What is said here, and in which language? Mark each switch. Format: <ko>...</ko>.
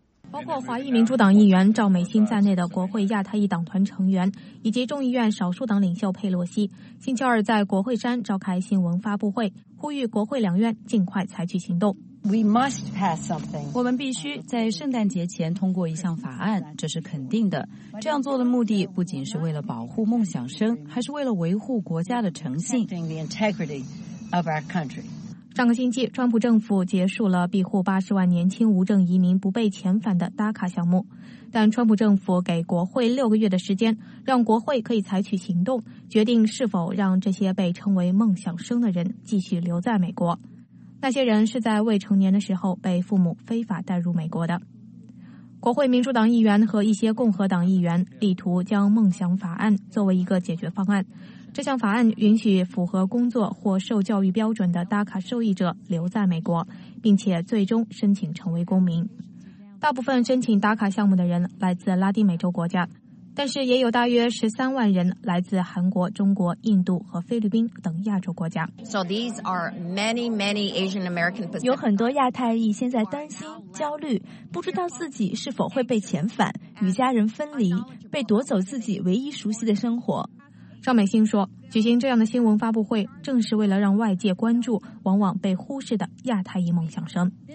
<zh>包括华裔民主党议员赵美心在内的国会亚太裔党团成员以及众议院少数党领袖佩洛西星期二在国会山召开新闻发布会，呼吁国会两院尽快采取行动。</zh> <en>We must pass something.</en> <zh>我们必须在圣诞节前通过一项法案，这是肯定的。这样做的目的不仅是为了保护梦想生，还是为了维护国家的诚信。</zh> <en>The integrity of our country.</en> <zh>上个星期，川普政府结束了庇护80万年轻无证移民不被遣返的 DACA 项目，但川普政府给国会六个月的时间，让国会可以采取行动，决定是否让这些被称为梦想生的人继续留在美国。那些人是在未成年的时候被父母非法带入美国的。国会民主党议员和一些共和党议员力图将梦想法案作为一个解决方案。这项法案允许符合工作或受教育标准的 DACA 受益者留在美国，并且最终申请成为公民。大部分申请 DACA 项目的人来自拉丁美洲国家，但是也有大约13万人来自韩国、中国、印度和菲律宾等亚洲国家。</zh> <en>So these are many, many Asian American people.</en> <zh>有很多亚太裔现在担心、焦虑，不知道自己是否会被遣返、与家人分离、被夺走自己唯一熟悉的生活。赵美星说，举行这样的新闻发布会，正是为了让外界关注往往被忽视的亚太裔梦想生。</zh>